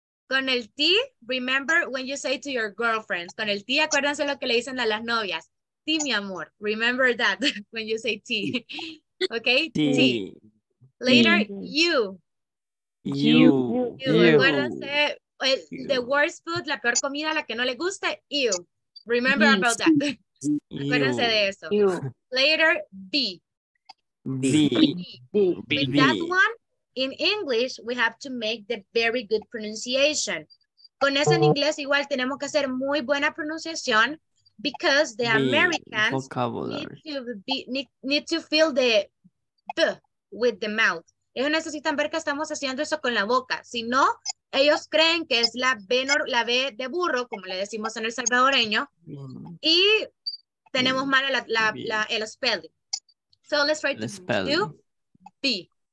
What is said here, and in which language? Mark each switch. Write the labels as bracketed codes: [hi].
[en] Con el T, remember when you say to your girlfriends. [es] Con el T, acuérdense lo que le dicen a las novias. [en] T, [es] mi amor. [en] Remember that when you say T. Okay, T. T. Later, U. U. [es] Recuérdense, [en] the worst food, [es] la peor comida, la que no le guste, U. [en] Remember about that. [es] Acuérdense de eso. U. [en] Later, B. B. B. B. With B. That one, in English, we have to make the very good pronunciation. [es] Con eso en inglés igual tenemos que hacer muy buena pronunciación. [en] Because the Americans need to feel the B with the mouth. [es] Ellos necesitan ver que estamos haciendo eso con la boca. Si no, ellos creen que es la B de burro, como le decimos en el salvadoreño. Mm. Y tenemos mal el spelling. [en] So let's try to do B.